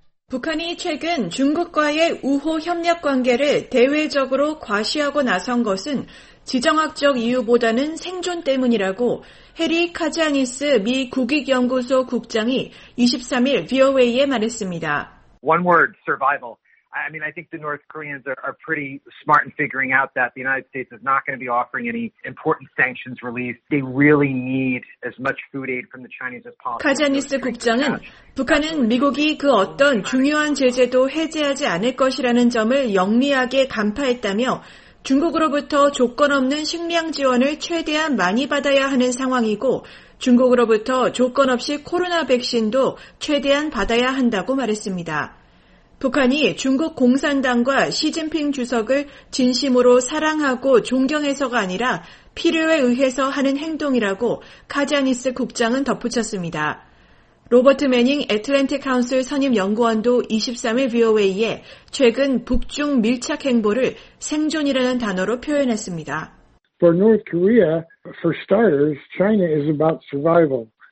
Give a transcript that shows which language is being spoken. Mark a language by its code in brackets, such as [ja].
[ko] 북한이 최근 중국과의 우호 협력 관계를 대외적으로 과시하고 나선 것은 지정학적 이유보다는 생존 때문이라고 해리 카자니스 미 국익연구소 국장이 23일 VOA에 말했습니다. [en] One word, survival. I mean, I think the North Koreans are pretty smart in figuring out that the United States is not going to be offering any important sanctions relief. They really need as much food aid from the Chinese as possible. [ko] 카자니스 국장은 북한은 미국이 그 어떤 중요한 제재도 해제하지 않을 것이라는 점을 영리하게 간파했다며 중국으로부터 조건 없는 식량 지원을 최대한 많이 받아야 하는 상황이고 중국으로부터 조건 없이 코로나 백신도 최대한 받아야 한다고 말했습니다. 북한이 중국 공산당과 시진핑 주석을 진심으로 사랑하고 존경해서가 아니라 필요에 의해서 하는 행동이라고 카자니스 국장은 덧붙였습니다. 로버트 매닝 애틀랜틱 카운슬 선임 연구원도 23일 VOA에 최근 북중 밀착 행보를 생존이라는 단어로 표현했습니다. [en] For North Korea, for starters, China is about survival.